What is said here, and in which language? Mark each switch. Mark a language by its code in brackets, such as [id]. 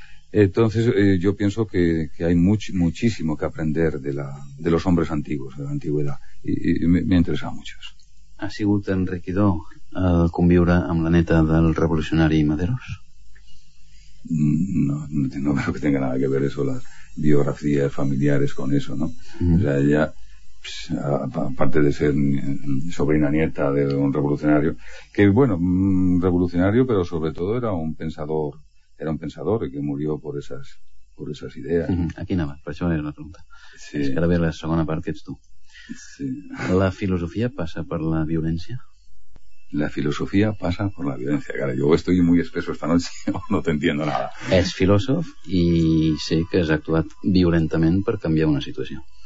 [es] Entonces, yo pienso que hay muchísimo que aprender de los hombres antiguos, de la antigüedad, y me ha interesado mucho eso. [ca] ¿Ha sigut enriquidor el conviure amb la neta del revolucionari Maderos? [es] No creo que tenga nada que ver eso, las biografías familiares, con eso, ¿no? O sea, ella, aparte de ser sobrina nieta de un revolucionario, que bueno, revolucionario, pero sobre todo era un pensador y que murió por esas ideas. Aquí nada más, por eso era una pregunta. [ca] Sí. Es que ara ve la segona part, que ets tu. Sí. La filosofia passa per la violència? La filosofia passa per la violència. [es] Cara, jo estoy muy espeso esta noche, no te entiendo nada. [ca] Ets filòsof i sé que has actuat violentament per canviar una situació.